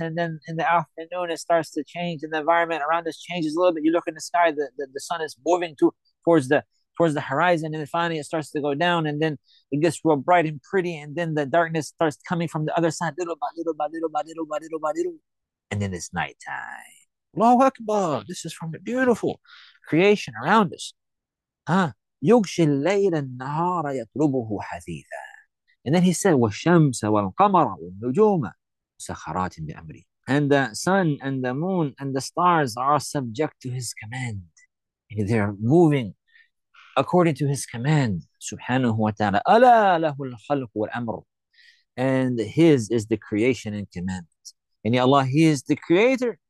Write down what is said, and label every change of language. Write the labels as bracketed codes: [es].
[en] And then in the afternoon, it starts to change. And the environment around us changes a little bit. You look in the sky, the sun is moving towards the horizon. And then finally, it starts to go down. And then it gets real bright and pretty. And then the darkness starts coming from the other side, little by little by little by little by little by little. And then it's nighttime. Allahu Akbar, this is from the beautiful creation around us. Huh? [ar] يغشي الليل النهار يطلبه حثيثا. [en] And then he said, [ar] والشمس والقمر والنجوم مسخرات بأمري. [en] And the sun and the moon and the stars are subject to his command. And they're moving according to his command. [ar] سبحانه وتعالى. ألا له الخلق والأمر. [en] And his is the creation and command. And yeah, Allah, he is the creator.